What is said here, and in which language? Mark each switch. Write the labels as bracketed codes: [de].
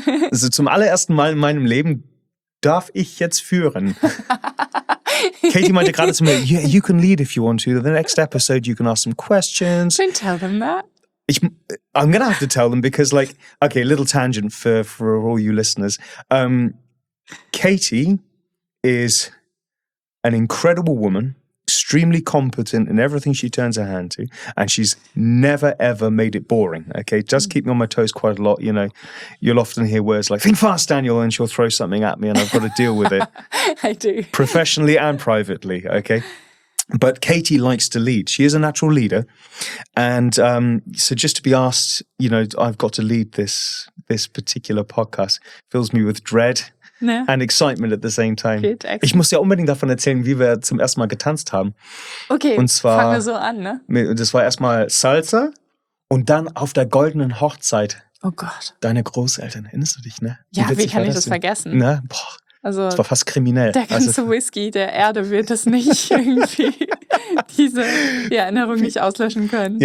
[de] Also zum allerersten Mal in meinem Leben darf ich jetzt führen. Katie meinte gerade zu mir, [en] you can lead if you want to. The next episode, you can ask some questions. Don't tell them that. I'm going to have to tell them because, like, okay, a little tangent for all you listeners. Katie is an incredible woman, extremely competent in everything she turns her hand to, and she's never, ever made it boring, okay? Just keep me on my toes quite a lot, you know. You'll often hear words like, think fast, Daniel, and she'll throw something at me and I've got to deal with it. I do. Professionally and privately, okay? But Katie likes to lead. She is a natural leader. And so just to be asked, you know, I've got to lead this particular podcast fills me with dread and excitement at the same time. Good, [de] ich muss ja unbedingt davon erzählen, wie wir zum ersten Mal getanzt haben. Okay, und zwar, fangen wir so an, ne? Das war erstmal Salsa und dann auf der goldenen Hochzeit. Oh Gott. Deine Großeltern, erinnerst du dich, ne? Ja, wie kann ich das vergessen? Ne? Boah. Also, das war fast kriminell. Der ganze Whisky der Erde wird es nicht irgendwie, diese Erinnerung nicht auslöschen können.